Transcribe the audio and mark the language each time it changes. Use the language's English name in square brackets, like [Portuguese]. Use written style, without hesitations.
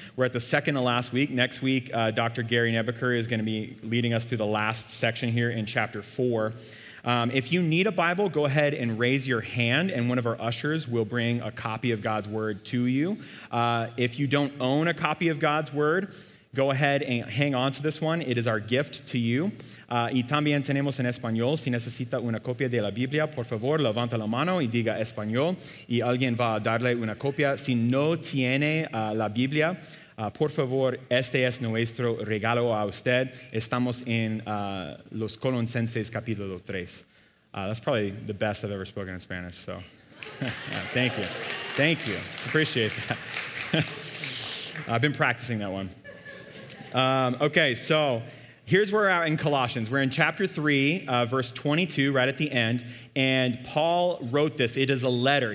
[English] We're at the second to last week. Next week, Dr. Gary Nebaker is going to be leading us through the last section here in chapter 4. If you need a Bible, go ahead and raise your hand, and one of our ushers will bring a copy of God's Word to you. If you don't own a copy of God's Word, go ahead and hang on to this one. It is our gift to you. [Spanish] Y también tenemos en español. Si necesita una copia de la Biblia, por favor, levanta la mano y diga español. Y alguien va a darle una copia. Si no tiene la Biblia, por favor, este es nuestro regalo a usted. Estamos en Los Colosenses capítulo 3. [English] That's probably the best I've ever spoken in Spanish. So, thank you. Thank you. Appreciate that. I've been practicing that one. Okay, so here's where we're at in Colossians. We're in chapter 3, verse 22, right at the end, and Paul wrote this. It is a letter.